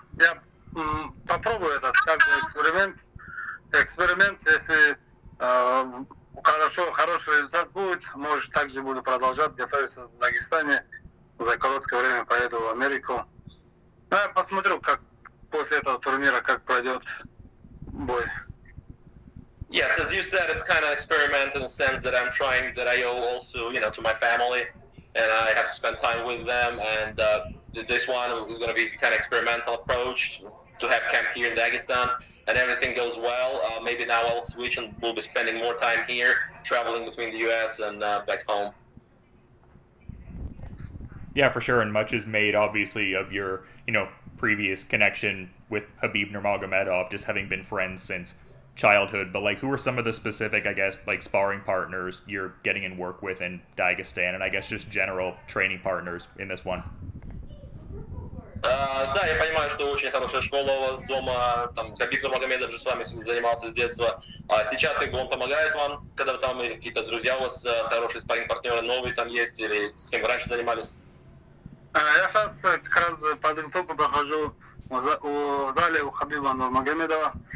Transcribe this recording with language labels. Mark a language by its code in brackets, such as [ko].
[ru] Я попробую этот как бы эксперимент, если хороший результат будет, может также буду продолжать готовиться в Дагестане, за короткое время поеду в Америку. Ну, я посмотрю, как после этого турнира, как пройдет бой. [en] Yes, as you said, it's kind of an experiment in the sense that I'm trying, that I owe also, you know, to my family, and I have to spend time with them, and this one is going to be kind of experimental approach to have camp here in Dagestan, and everything goes well. Maybe now I'll switch and we'll be spending more time here, traveling between the U.S. and back home. Yeah, for sure, and much is made, obviously, of your, you know, previous connection with Khabib Nurmagomedov, just having been friends since childhood. But like, who are some of the specific, I guess, like sparring partners you're getting in work with in Dagestan, and I guess just general training partners in this one? [ru] Да, я понимаю, что очень хорошая школа у вас дома. Там Хабиб Нурмагомедов же с вами занимался с детства. А сейчас как бы он помогает вам, когда там какие-то друзья у вас хорошие спарринг партнеры новые там есть или с кем раньше занимались? Я сейчас как раз подготовку прохожу в зале у Хабиба Нурмагомедова.